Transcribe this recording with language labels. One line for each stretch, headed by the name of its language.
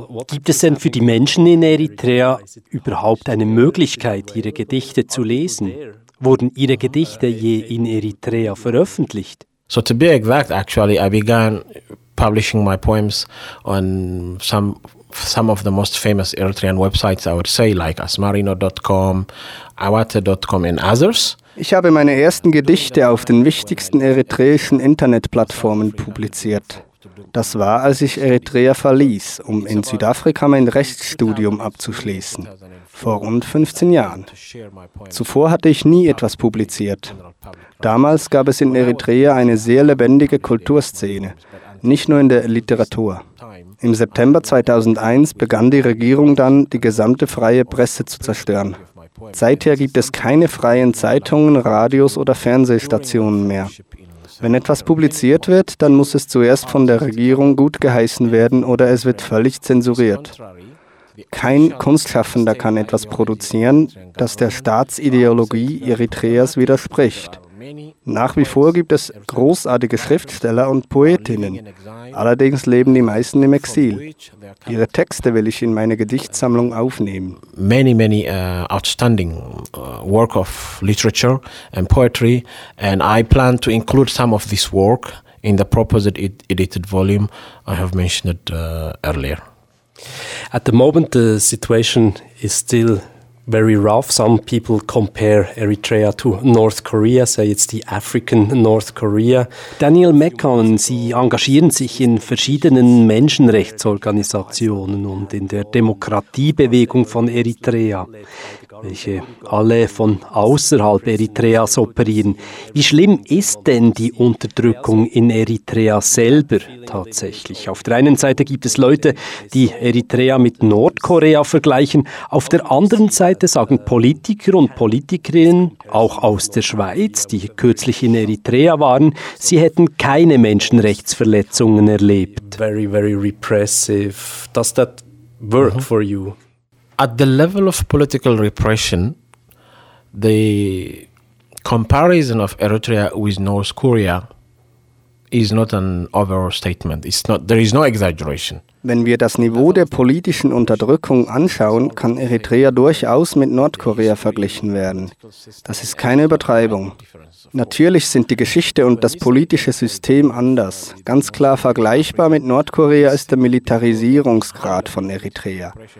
German: Gibt es denn für die Menschen in Eritrea überhaupt eine Möglichkeit, ihre Gedichte zu lesen? Wurden ihre Gedichte je in Eritrea veröffentlicht?
English: So to be exact, actually, I began publishing my poems on some of the most famous Eritrean websites, I would say, like asmarino.com, awate.com and others.
German: Ich habe meine ersten Gedichte auf den wichtigsten eritreischen Internetplattformen publiziert. Das war, als ich Eritrea verließ, um in Südafrika mein Rechtsstudium abzuschließen, vor rund 15 Jahren. Zuvor hatte ich nie etwas publiziert. Damals gab es in Eritrea eine sehr lebendige Kulturszene, nicht nur in der Literatur. Im September 2001 begann die Regierung dann, die gesamte freie Presse zu zerstören. Seither gibt es keine freien Zeitungen, Radios oder Fernsehstationen mehr. Wenn etwas publiziert wird, dann muss es zuerst von der Regierung gutgeheißen werden oder es wird völlig zensuriert. Kein Kunstschaffender kann etwas produzieren, das der Staatsideologie Eritreas widerspricht. Nach wie vor gibt es großartige Schriftsteller und Poetinnen, allerdings leben die meisten im Exil. Ihre Texte will ich in meine Gedichtsammlung aufnehmen.
English: Many, many outstanding work of literature and poetry, and I plan to include some of this work in the proposed edited volume I have mentioned earlier. At the moment the situation is still very rough. Some people compare Eritrea to North Korea, say it's the African North Korea.
German: Daniel Mekon, Sie engagieren sich in verschiedenen Menschenrechtsorganisationen und in der Demokratiebewegung von Eritrea, welche alle von außerhalb Eritreas operieren. Wie schlimm ist denn die Unterdrückung in Eritrea selber tatsächlich? Auf der einen Seite gibt es Leute, die Eritrea mit Nordkorea vergleichen. Auf der anderen Seite sagen Politiker und Politikerinnen, auch aus der Schweiz, die kürzlich in Eritrea waren, sie hätten keine Menschenrechtsverletzungen erlebt.
English: Very, very repressive. Does that work for you? At the level of political repression, the comparison of Eritrea with North Korea is not an overstatement. There is no exaggeration.
German: Wenn wir das Niveau der politischen Unterdrückung anschauen, kann Eritrea durchaus mit Nordkorea verglichen werden. Das ist keine Übertreibung. Natürlich sind die Geschichte und das politische System anders. Ganz klar vergleichbar mit Nordkorea ist der Militarisierungsgrad von Eritrea.